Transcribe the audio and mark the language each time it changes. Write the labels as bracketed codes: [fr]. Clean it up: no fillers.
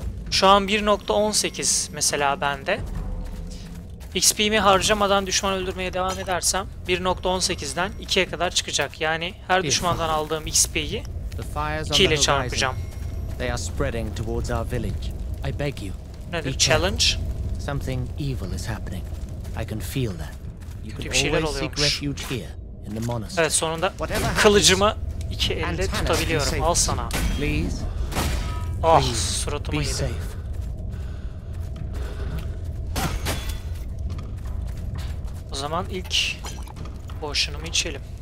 [tr] Şu an 1.18 mesela bende. XP'mi harcamadan düşman öldürmeye devam edersem 1.18'den 2'ye kadar çıkacak. Yani her düşmandan aldığım XP'yi 2 ile çarpacağım. [en] They are spreading towards our village. I beg you. [tr] Nedir? [en] Challenge. Something evil is happening. I can feel that. You can always seek refuge here in the monastery. [tr] Evet, sonunda kılıcımı iki elle tutabiliyorum. Al sana. Please. Oh, suratıma yedi. O zaman ilk boşunumu içelim.